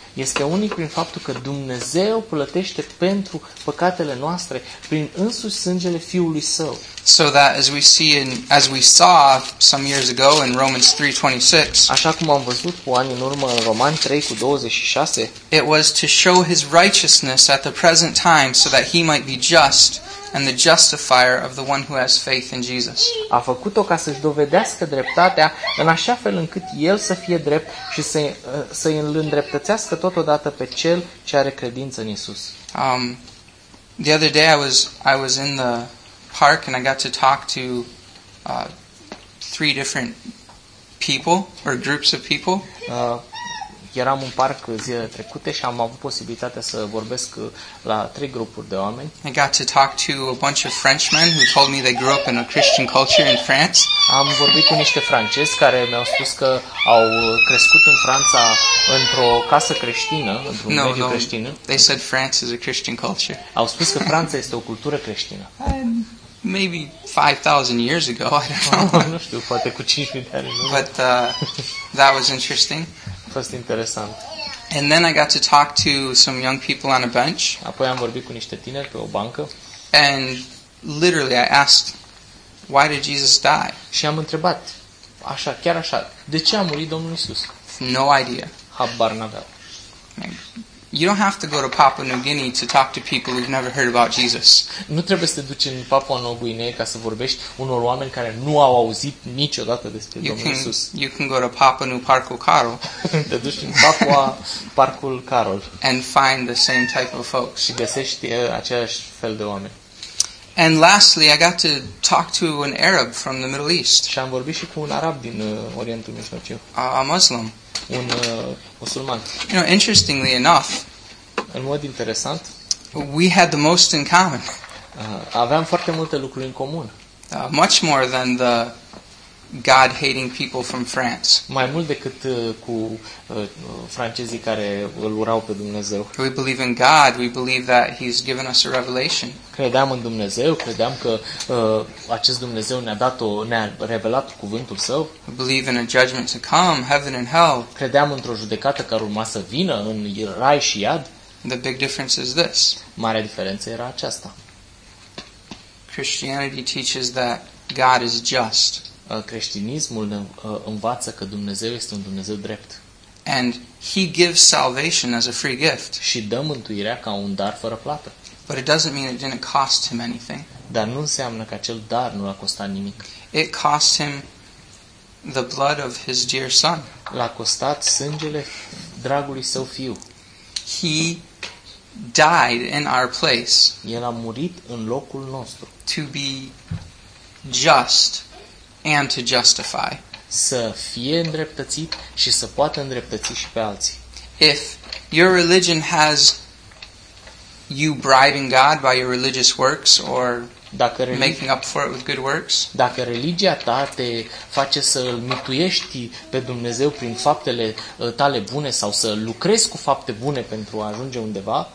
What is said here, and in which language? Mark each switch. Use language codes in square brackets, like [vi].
[ro] Este unic prin faptul că Dumnezeu plătește pentru păcatele noastre prin însuși sângele fiului său. [en] So that as we see in as we saw some years ago in Romans 3:26. [ro] Așa cum am văzut cu ani în urmă în Roman 3:26. [en] It was to show his righteousness at the present time so that he might be just and the justifier of the one who has faith in Jesus. [ro] A făcut-o ca să-și dovedească dreptatea în așa fel încât el să fie drept și să îl îndreptățească totodată pe cel ce are credință în Isus. [en] The other day I was in the park and I got to talk to three different people or groups of people. [ro] Eram în parc zilele trecute și am avut posibilitatea să vorbesc la trei grupuri de oameni. [en] I got to talk to a bunch of Frenchmen who told me they grew up in a Christian culture in France. [ro] Am vorbit cu niște francezi care mi-au spus că au crescut în Franța într-o casă creștină, într-un mediu creștin. [en] They said France is a Christian culture. [ro] Au spus că Franța este o cultură creștină. [en] Maybe 5,000 years ago, I don't know. [ro] Nu știu, poate cu 5,000 de ani. [en] But that was interesting. [ro] Fost interesant. [en] And then I got to talk to some young people on a bench. [ro] Apoi am vorbit cu niște tineri pe o bancă. [en] And literally I asked, why did Jesus die? [ro] Și am întrebat, așa, chiar așa, de ce a murit Domnul Iisus? [en] No idea. [ro] Habar n-aveau. [en] You don't have to go to Papua New Guinea to talk to people who've never heard about Jesus. [ro] Nu trebuie să te duci în Papua Noua Guinee ca să vorbești unor oameni care nu au auzit niciodată despre Domnul Iisus. [en] You can go to Papua New Parkul Carol. [ro] Te duci în Papua Parkul Carol. [en] And find the same type of folks. [ro] Și găsești același fel de oameni. [en] And lastly, I got to talk to an Arab from the Middle East. [ro] Și am vorbit și cu un arab din Orientul Mijlociu. [en] A Muslim. [ro] Un musulman. [en] You know, interestingly enough, [ro] în mod interesant, [en] we had the most in common. [ro] Aveam foarte multe lucruri în comun. [en] Much more than the God-hating people from France. [ro] Mai mult decât cu francezii care îl urau pe Dumnezeu. [en] We believe in God. We believe that He's given us a revelation. [ro] Credeam în Dumnezeu. Credeam că acest Dumnezeu ne-a revelat cuvântul Său. [en] We believe in a judgment to come, heaven and hell. [ro] Credeam într-o judecată care urma să vină în Rai și Iad. [en] The big difference is this. [ro] Marea diferență era aceasta. [en] Christianity teaches that God is just. [ro] Creștinismul învață că Dumnezeu este un Dumnezeu drept. [en] And he gives salvation as a free gift. [ro] Și dă mântuirea ca un dar fără plată. [en] But it doesn't mean it didn't cost him anything. [ro] Dar nu înseamnă că acel dar nu l-a costat nimic. [en] It cost him the blood of his dear son. [ro] L-a costat sângele dragului său fiu. [en] He died in our place. [ro] El a murit în locul nostru. [en] To be just. And to justify. [ro] Să fie îndreptățit și să poată îndreptăți și pe alții. [en] If your religion has you bribing God by your religious works or making up for it with good works. [ro] Dacă religia ta te face să îl mituiești pe Dumnezeu prin faptele tale bune sau să lucrezi cu fapte bune pentru a ajunge undeva.